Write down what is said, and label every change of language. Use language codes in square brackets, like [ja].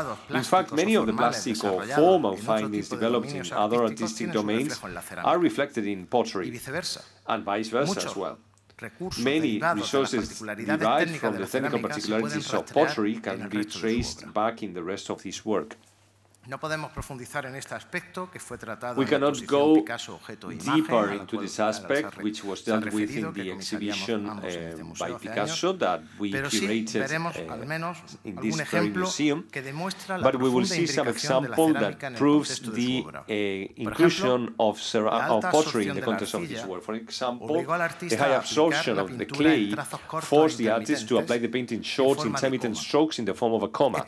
[en] In fact, many of the plastic or formal findings developed in other artistic domains are reflected in pottery, and vice versa as well. Many resources derived from the technical particularities of pottery can be traced back in the rest of his work. [es] No podemos profundizar en este aspecto que fue tratado [en] we cannot go [es] Picasso, objeto, [en] deeper into this aspect, which was dealt with in the exhibition by Picasso that we curated in this very museum, but we will see some example that proves the inclusion of pottery in the context of this work. For example, the high absorption of the clay forced the artist to apply the painting short, intermittent strokes in the form of a coma.